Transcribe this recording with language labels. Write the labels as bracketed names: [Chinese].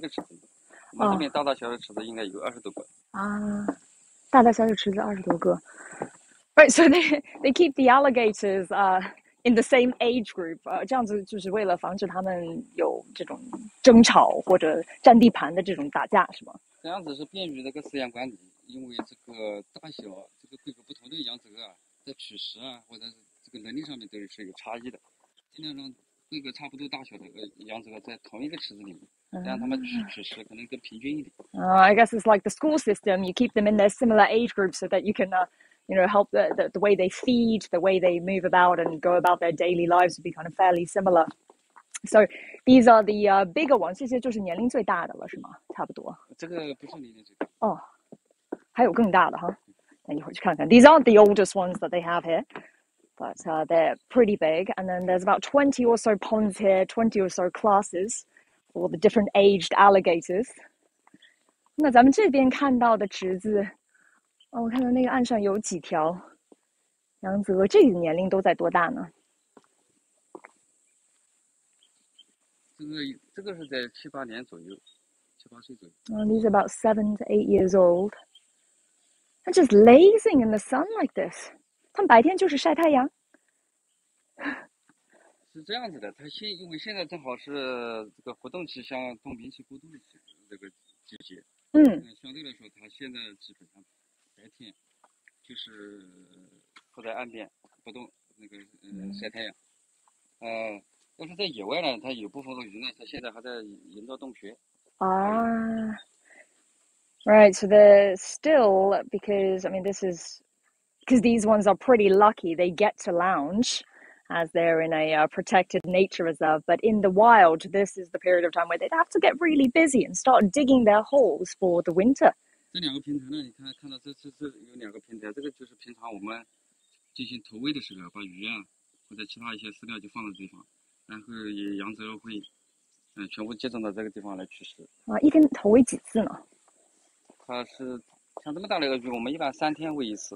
[Chinese] 那咱们这里有多少池子呢？能继续看走走看看。咱们这边一共有几个池子呢？这个大大小小的有，它是根据这个池子，根据我们这个扬子鳄啊，这个在放到池子里面时候，它是基本上差不多大规格的，它放在一个池子里。我们这边大大小小的池子应该有20多个。大大小小池子20多个， [English] right? So they keep the alligators in the same age group. [Chinese] 这样子就是为了防止他们有这种争吵或者占地盘的这种打架，是吗？这样子是便于那个饲养管理，因为这个大小这个规格不同的扬子鳄啊。在取食啊，或者是这个能力上面都是有差异的。尽量让规格差不多大小的样子在同一个池子里面，这样他们取食可能更平均一点。 [English] I guess it's like the school system. You keep them in their similar age group so that you can, help the way they feed, the way they move about and go about their daily lives would be kind of fairly similar. So these are the bigger ones. [Chinese] 这些就是年龄最大的了，是吗？差不多。这个不是年龄最大。哦，还有更大的哈，那一会儿去看看。 [English] These aren't the oldest ones that they have here, but they're pretty big. And then there's about 20 or so ponds here, 20 or so classes for the different aged alligators. [Chinese] 那咱们这边看到的池子，哦，我看到那个岸上有几条杨泽，这个年龄都在多大呢？这个是在7、8年左右，7、8岁左右。 [English] These are about 7 to 8 years old. They're just lazing in the sun like this. [Chinese] 他们白天就是晒太阳。是这样子的，因为现在正好是这个活动期，像冬眠期、过渡期这个季节，相对来说，它现在基本上白天就是坐在岸边不动，那个晒太阳，但是在野外呢，它有部分鱼呢，它现在还在营造洞穴，还有。 [English] Right, so they're still, because I mean, this is because these ones are pretty lucky. They get to lounge as they're in a protected nature reserve. But in the wild, this is the period of time where they'd have to get really busy and start digging their holes for the winter. [Chinese] 这两个平台呢，你看到这有两个平台，这个就是平常我们进行投喂的时候，把鱼啊或者其他一些饲料就放在这地方，然后也养殖会，全部集中到这个地方来取食。一天投喂几次呢？它是像这么大的一个鱼，我们一般3天喂一次。